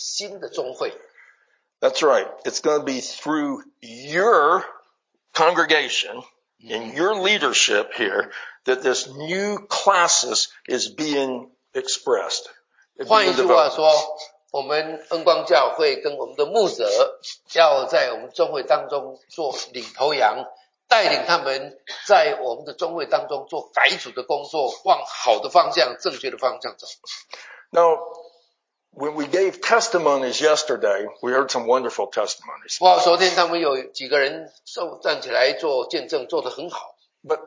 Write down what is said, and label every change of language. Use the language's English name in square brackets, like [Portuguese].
[Chinese] 请我们记得哈，现在我们的宗会在改组，所以呢，神要借着我们教会要设立新的宗会。 [English] That's right. It's going to be through your congregation and your leadership here that this new classes is being expressed. [Chinese] 换一句话说。我们恩光教会跟我们的牧者要在我们宗会当中做领头羊，带领他们在我们的宗会当中做改组的工作，往好的方向、正确的方向走。 [English] Now, when we gave testimonies yesterday, we heard some wonderful testimonies. [Chinese] 哇，昨天他们有几个人站起来做见证，做得很好。 [English] But